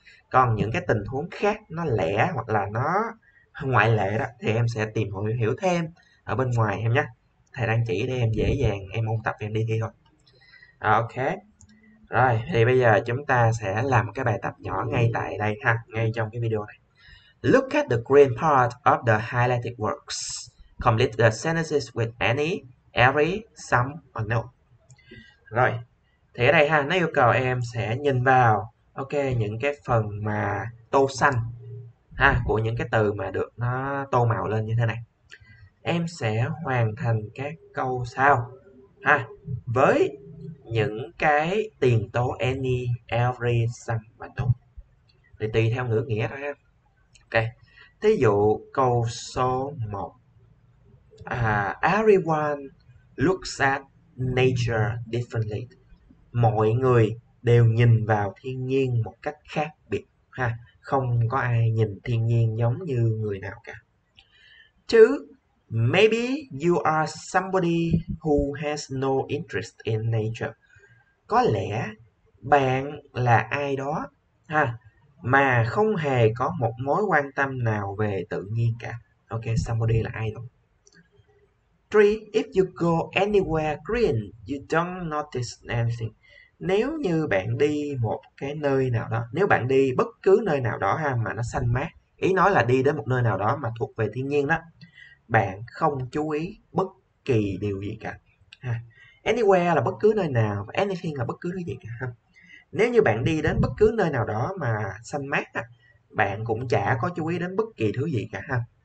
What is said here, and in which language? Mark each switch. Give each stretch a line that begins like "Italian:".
Vietnamese: Còn những cái tình huống khác nó lẻ hoặc là nó ngoại lệ đó thì em sẽ tìm hiểu thêm ở bên ngoài em nhé. Thầy đang chỉ để em dễ dàng em ôn tập em đi thi thôi. Ok. Rồi, thì bây giờ chúng ta sẽ làm cái bài tập nhỏ ngay tại đây ha, ngay trong cái video này.
English: Look at the green part of the highlighted words. Complete the sentences with any, every, some or no.
Vietnamese: Rồi. Thì ở đây ha, nó yêu cầu em sẽ nhìn vào ok những cái phần mà tô xanh ha, của những cái từ mà được nó tô màu lên như thế này. Em sẽ hoàn thành các câu sau ha, với những cái tiền tố any, every, some và no. Thì tùy theo ngữ nghĩa thôi ha. Ok. Thí dụ câu số 1.
English: Everyone looks at nature differently.
Vietnamese: Mọi người đều nhìn vào thiên nhiên một cách khác biệt ha, không có ai nhìn thiên nhiên giống như người nào cả.
English: Two, maybe you are somebody who has no interest in nature.
Vietnamese: Có lẽ bạn là ai đó ha mà không hề có một mối quan tâm nào về tự nhiên cả. Ok, somebody là ai đó.
English: Three, if you go anywhere green, you don't notice anything.
Vietnamese: Nếu như bạn đi một cái nơi nào đó, nếu bạn đi bất cứ nơi nào đó ha mà nó xanh mát, ý nói là đi đến một nơi nào đó mà thuộc về thiên nhiên đó, bạn không chú ý bất kỳ điều gì cả. Ha. Anywhere là bất cứ nơi nào, anything là bất cứ nơi gì cả. Ha. Nếu như bạn đi đến bất cứ nơi nào đó mà xanh mát, ha, bạn cũng chả có chú ý đến bất kỳ thứ gì cả. Ha.